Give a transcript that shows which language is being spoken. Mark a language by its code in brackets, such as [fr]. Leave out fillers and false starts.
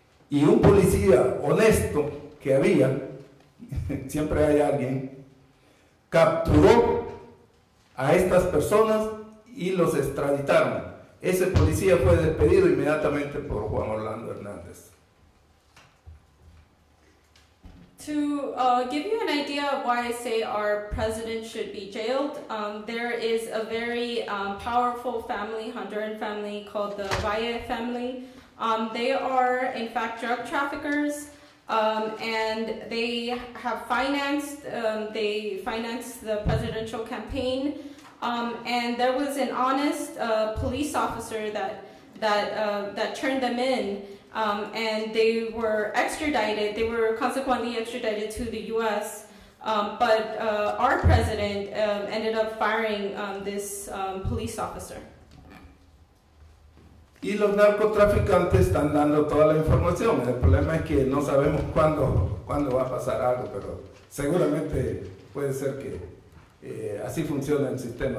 [es] Y un policía honesto que había, siempre hay alguien, capturó a estas personas y los extraditaron. Ese policía fue despedido inmediatamente por Juan Orlando Hernández. [en] To give you an idea of why I say our president should be jailed, there is a very powerful family, Honduran family, called the Valle family. They are, in fact, drug traffickers, and they have financed the presidential campaign. And there was an honest police officer that turned them in. And they were extradited. They were consequently extradited to the U.S. But our president ended up firing this police officer. [es] Y los narcotraficantes están dando toda la información. El problema es que no sabemos cuándo va a pasar algo, pero seguramente puede ser que así funciona el sistema.